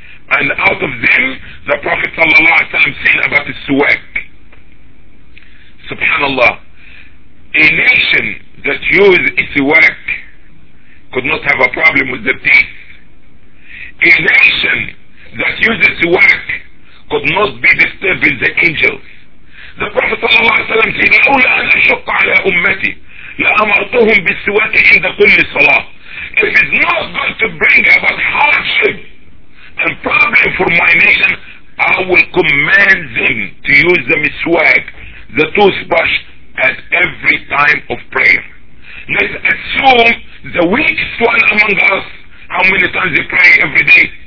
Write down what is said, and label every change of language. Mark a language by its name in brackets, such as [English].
[English] And out of them, the Prophet ﷺ saying about the Suwak. Subhanallah. A nation that used a Suwak could not have a problem with the teeth. A nation that uses the Suwak could not be disturbed with the angels. The Prophet ﷺ said, [Arabic] لَأُولَا أَنْ أَشُقَ عَلَىٰ أُمَّتِي لَأَمَرْتُهُمْ بِالسُوَاكِ عِنْدَ كُلِّ صَلَاةِ. [English] If it's not going to bring about hardship and problem for my nation, I will command them to use the Suwak, the toothbrush, at every time of prayer. Let's assume the weakest one among us, how many times they pray every day?